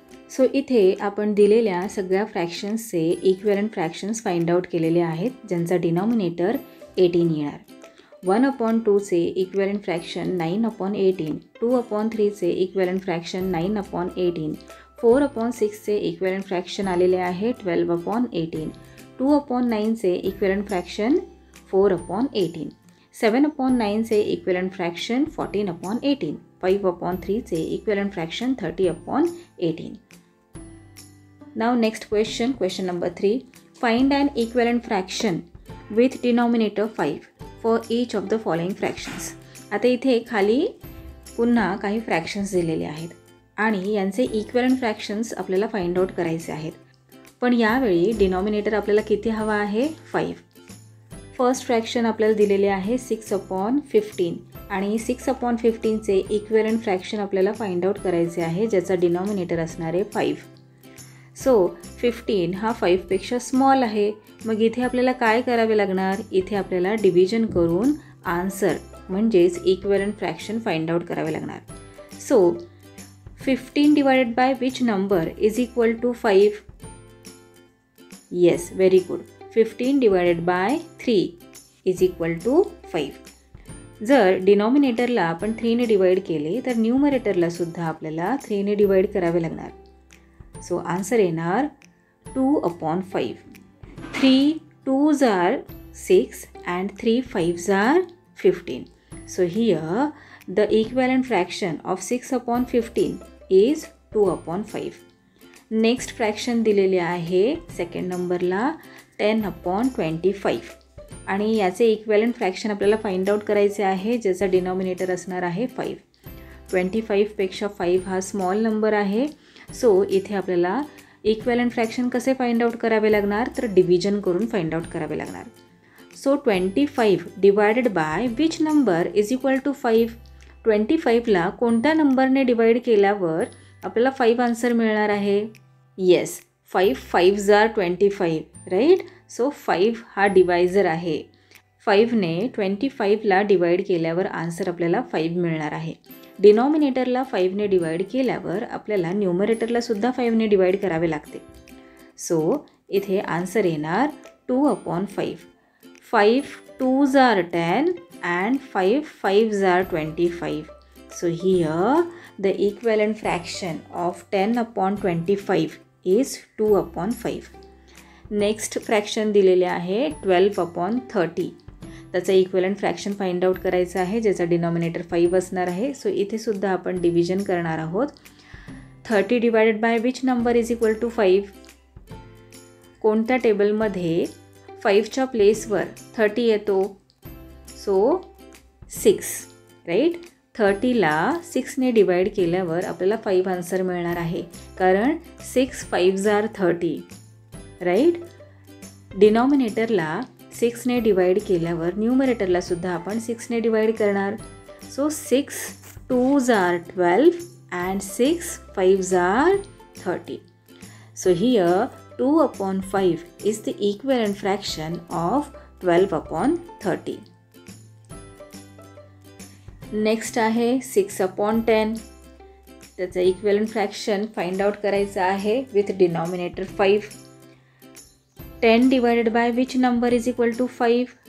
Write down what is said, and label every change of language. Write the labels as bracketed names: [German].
[Marathi] So इथे आपण दिलेल्या सगळ्या फ्रॅक्शन्सचे इक्विवेलेंट फ्रॅक्शन्स फाइंड आउट केलेले आहेत ज्यांचा डिनोमिनेटर 18 येणार 1/2 चे इक्विवेलेंट फ्रॅक्शन 9/18 2/3 चे इक्विवेलेंट फ्रॅक्शन 9/18 4 अपॉन 6 से इक्विवेलेंट फ्रैक्शन आलेले आहे 12 upon 18, 2 upon 9 say equivalent fraction 4 upon 18, 7 upon 9 say equivalent fraction 14 upon 18, 5 upon 3 say equivalent fraction 30 upon 18. [English] Now next question, question number 3. Find an equivalent fraction with denominator 5 for each of the following fractions. [Marathi] आता इथे खाली पुन्हा काही फ्रैक्शन्स दिलेले आहेत आणि यांचे equivalent फ्रैक्शन्स आपल्याला फाइंड आउट करायचे आहेत. पण यावेळी डिनोमिनेटर आपल्याला किती हवा आहे? 5. फर्स्ट फ्रैक्शन आपल्याला दिलेले आहे 6 अपॉन 15 आणि 6 अपॉन 15 चे इक्विवेलेंट फ्रैक्शन आपल्याला फाइंड आउट करायचे आहे ज्याचा डिनोमिनेटर असणार आहे 5. सो 15 हा 5 पेक्षा स्मॉल आहे, मग इथे आपल्याला काय करावे लागणार? इथे आपल्याला डिव्हिजन करून आन्सर म्हणजेच इक्विवेलेंट फ्रैक्शन फाइंड आउट करावे लागणार. [English] So 15 divided by which number is equal to 5? Yes, very good. 15 divided by 3 is equal to 5. [Marathi] जर डिनॉमिनेटरला आपण 3 ने डिवाइड केले तर न्यूमरेटरला सुद्धा आपल्याला 3 ने डिवाइड करावे लागणार. सो आन्सर येणार 2 upon 5. [English] 3 2s are 6 and 3 5s are 15. So here the equivalent fraction of 6 upon 15 is 2 upon 5. [Marathi] Next fraction दिलेले आहे सेकंड नंबरला 10 अपॉन 25 आणि याचे इक्विवेलेंट फ्रॅक्शन आपल्याला फाइंड आउट करायचे आहे ज्याचा डिनॉमिनेटर असणार आहे 5. 25 पेक्षा 5 हा स्मॉल नंबर आहे. सो इथे आपल्याला इक्विवेलेंट फ्रॅक्शन कसे फाइंड आउट करावे लागणार? तर डिव्हिजन करून फाइंड आउट करावे लागणार. [English] So 25 divided by which number is equal to 5? [Marathi] 25ला कोणत्या नंबरने डिवाइड केल्यावर आपल्याला 5 आन्सर मिळणार आहे? [English] Yes, 5 5s are 25, right? [Marathi] So 5 हा डिवायझर आहे. 5ने 25ला डिवाइड केल्यावर आन्सर आपल्याला 5 मिळणार आहे. डिनॉमिनेटरला 5ने डिवाइड केल्यावर आपल्याला न्यूमरेटरलासुद्धा 5ने डिवाइड करावे लागते. सो इथे आन्सर येणार 2 upon 5. [English] 5 2s are 10 and 5 5s are 25. So here the equivalent fraction of 10 upon 25 is 2 upon 5. [Marathi] Next fraction दिलेले आहे 12 अपॉन 30, त्याचा इक्विवेलेंट फ्रॅक्शन फाइंड आउट करायचा आहे ज्याचा डिनॉमिनेटर 5 असणार आहे. सो इथेसुद्धा आपण डिव्हिजन करणार आहोत. [English] 30 divided by which number is equal to 5? [Marathi] कोणत्या टेबलमध्ये 5च्या प्लेसवर 30 येतो? So 6, right? 30ला 6ने डिवाइड केल्यावर आपल्याला 5 आन्सर मिळणार आहे, कारण [English] 6 5s are 30, right? [Marathi] डिनॉमिनेटरला 6ने डिवाइड केल्यावर न्यूमरेटरलासुद्धा आपण 6ने डिवाइड करणार. [English] So 6 2s are 12 and 6 5s are 30. So here 2 upon 5 is the equivalent fraction of 12 upon 30. [Marathi] Next आहे 6 अपॉन 10, त्याचं इक्विवेलेंट फ्रॅक्शन फाइंड आउट करायचं आहे with denominator 5. [English] 10 divided by which number is equal to 5?